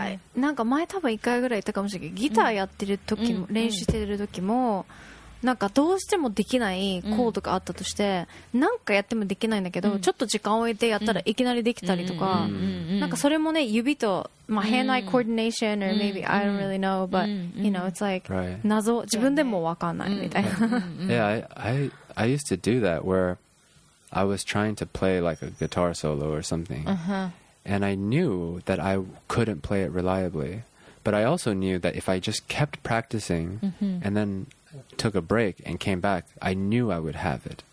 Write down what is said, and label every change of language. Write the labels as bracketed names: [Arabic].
[Japanese] I, なんか前多分一回ぐらい言ったかもしれないけど、ギターやってる時も、mm-hmm. 練習してる時も、なんかどうしてもできないコードがあったとして、mm-hmm. なんかやってもできないんだけど、mm-hmm. ちょっと時間を置いてやったらいきなりできたりとか、 mm-hmm. なんかそれもね、指と、まあ、 [English] hand-eye coordination, or maybe I don't really know, but, you know, it's like, right. [Japanese] 謎、自分でもわかんないみたいな。 [English] Yeah, I used to do that where I was trying to play like a guitar solo or something. Uh-huh. And I knew that I couldn't play it reliably. But I also knew that if I just kept practicing mm-hmm. and then took a break and came back, I knew I would have it.